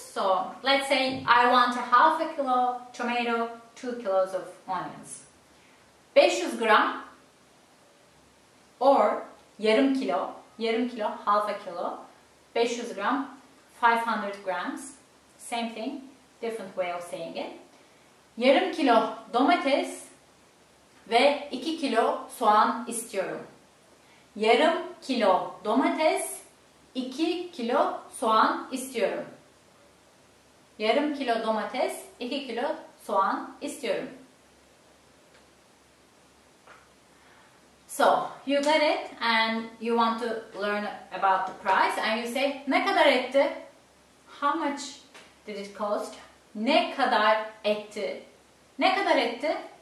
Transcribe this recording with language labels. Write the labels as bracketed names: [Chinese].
[English] So let's say I want a half a kilo tomato, 2 kilos of onions. 500 gram or [Turkish] yarım kilo, [English] half a kilo, 500 gram, 500 grams. Same thing, different way of saying it. [Turkish] Yarım kilo domates ve 2 kilo soğan istiyorum. Yarım kilo domates, 2 kilo soğan istiyorum. Yarım kilo domates, 2 kilo soğan istiyorum. [English] So, you get it and you want to learn about the price and you say, [Turkish] ne kadar etti? [English] How much did it cost? [Turkish] Ne kadar etti? Ne kadar etti?